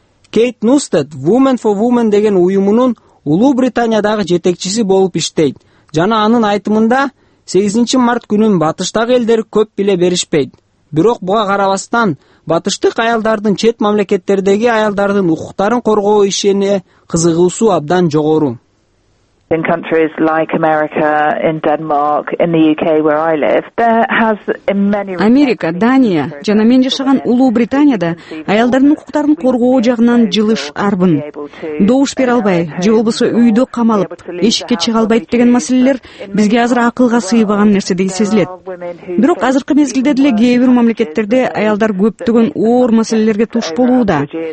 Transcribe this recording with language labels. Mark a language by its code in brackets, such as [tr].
[ky] Кейт Нустед Women for Women деген уюмунун Улуу Британиядагы жетекчиси болуп иштейт. Жана анын айтымында 8 март күнүн батыштагы элдер көп биле беришпейт. Бирок буга карабастан батыштык аялдардын чет мамлекеттердеги аялдардын укуктарын коргоо ишине кызыгуусу абдан жогору. [en] In countries like America, in Denmark, in the UK where I live, there has in many regions. [ky] Америка, Дания жана мен жашаган Улуу Британияда аялдардын укуктарын коргоо жагынан жылыш арбын. Добуш бере албай, же болбосо үйдө камалып, эшикке чыга албайт деген маселелер бизге азыр акылга сыйбаган нерсе деп сезилет. Бирок азыркы мезгилде деле кээ бир мамлекеттерде аялдар көптөгөн оор маселелерге туш болууда.